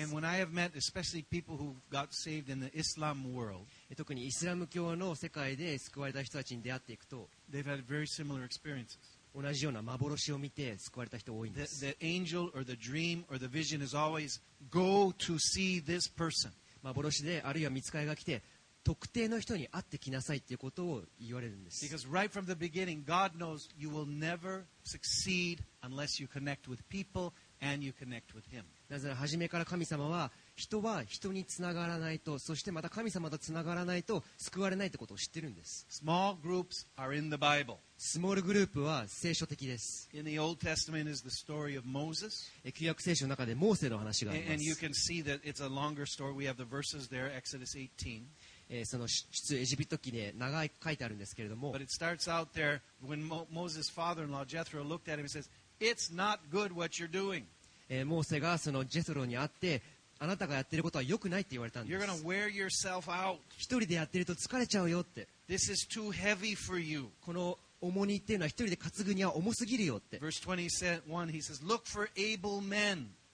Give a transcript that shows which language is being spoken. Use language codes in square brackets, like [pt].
[en] And when I have met especially people who got saved in the Islam world, [ja] 特にイスラム教の世界で救われた人たちに出会っていくと、 [en] They've had very similar experiences. [ja] 同じような幻を見て救われた人多いんです。 [en] The angel or the dream or the vision is always go to see this person. [ja] 幻であるいは見つかりが来て特定の人に会ってきなさいっていうことを言われるんです。 [en] Because right from the beginning, God knows you will never succeed unless you connect with people and you connect with Him. [ja] なぜなら初めから神様は人は人につながらないと、そしてまた神様とつながらないと救われないということを知ってるんです。 [en] Small groups are in the Bible. [ja] スモールグループは聖書的です。 [en] In the Old Testament is the story of Moses. [ja] 旧約聖書の中でモーセの話があります。 [en] And you can see that it's a longer story. We have the verses there, Exodus 18. [ja] その出エジプト記で長い書いてあるんですけれども。 [en] But it starts out there when Moses' father-in-law Jethro looked at him and says, "It's not good what you're doing." [ja] モーセがそのジェトロに会って、あなたがやってることは良くないって言われたんです。 [en] You're gonna wear yourself out. [ja] 一人でやってると疲れちゃうよって。 [en] This is too heavy for you. [ja] この重荷っていうのは一人で担ぐには重すぎるよって。 [en] Verse 21, he says, "Look for able men."